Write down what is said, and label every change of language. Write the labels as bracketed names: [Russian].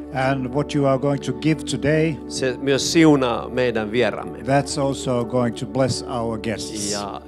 [English] And what you are going to give today. [Finnish] Se myös siunaa meidän vieraamme. [English] That's also going to bless our guests.